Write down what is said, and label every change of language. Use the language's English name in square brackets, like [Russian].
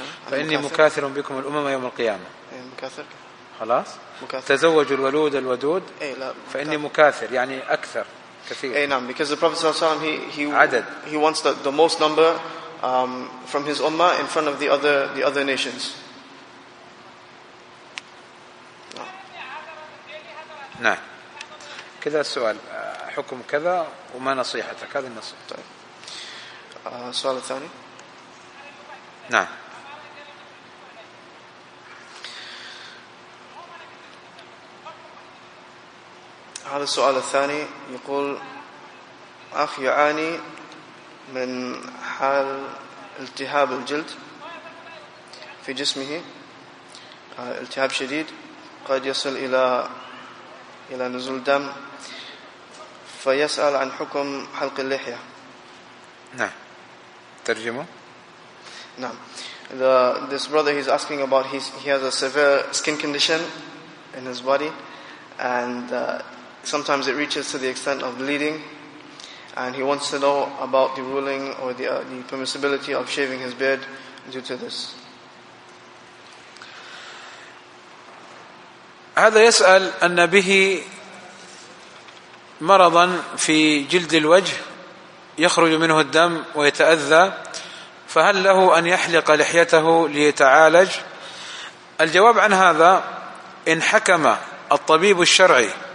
[Arabic] فإني مكاثر بكم الأمم يوم القيامة. مكاثر. خلاص. تزوج الولود الودود. إيه لا. فإني مكاثر يعني أكثر كثير. إيه نعم. [English] Because the Prophet [Arabic] صلى الله عليه وسلم [English] he wants the most number from his ummah in front of the other nations. [Arabic] نعم. كذا السؤال، حكم كذا وما نصيحتك؟ هذه النصيحة. طيب. السؤال الثاني. نعم. هذا السؤال الثاني يقول أخ يعاني من حال التهاب الجلد في جسمه التهاب شديد قد يصل إلى نزول دم فيسأل عن حكم حلق اللحية. نعم ترجمه. [English] نعم this brother he's asking about he has a severe skin condition in his body and sometimes it reaches to the extent of bleeding and he wants to know about the ruling or the permissibility of shaving his beard due to this. [Arabic] هذا يسأل أن به مرضا في جلد الوجه يخرج منه الدم ويتأذى فهل له أن يحلق لحيته ليتعالج؟ الجواب عن هذا إن حكم الطبيب الشرعي